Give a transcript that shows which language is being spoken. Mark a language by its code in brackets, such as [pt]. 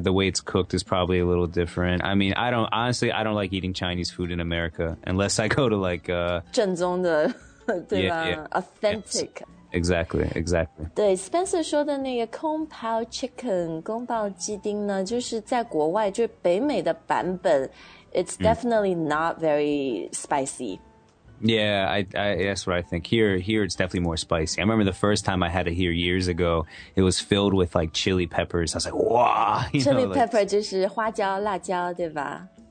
[en] The way it's cooked is probably a little different. I mean, I don't, honestly, I don't like eating Chinese food in America unless I go to like, [zh] 正宗的, 对吧? [en] Yeah, yeah. Authentic. Yes. Exactly, exactly. [zh] 对, Spencer说的那个 kung pao chicken, 宫保鸡丁呢, 就是在国外, 就是北美的版本, [en] it's definitely not very spicy. Yeah, I that's what I think. Here it's definitely more spicy. I remember the first time I had it here years ago, it was filled with like chili peppers. I was like, wow! Chili know, pepper [zh] 就是花椒、辣椒,对吧?